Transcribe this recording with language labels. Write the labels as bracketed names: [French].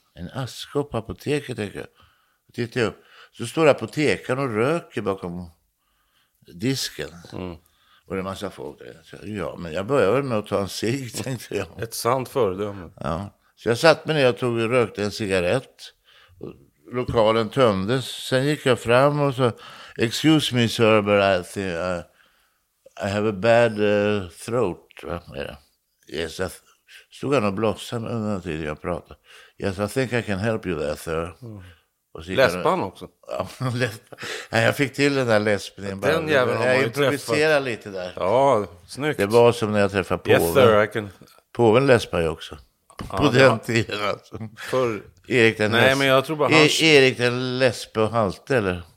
[Swedish] En askkopp på apoteket, tänker jag. Tittar jag upp. Så står apotekaren och röker bakom disken. Mm. Och det är massa folk där. Så, ja, men jag börjar väl med att ta en cig, tänkte jag. Ett sant föredöme. Ja. Så jag satt mig ner och tog och rökte en cigarett. Lokalen tömdes. Sen gick jag fram och så... [English] Excuse me, sir, but I think I have a bad throat. [Swedish] Yes, jag stod han och blossade under den tiden jag pratade. [English] Yes, I think I can help you there, sir. [Swedish] Läspan också? Ja, jag fick till den där läspningen. Den jäveln har jag improviserat lite där. Ja, snyggt. Det var som när jag träffade påven. [English] Yes, sir, I can... [Swedish] Påven läspar ju också. På den tiden alltså. För... Erik den Nej, men jag tror bara Erik den läspe och halte, eller?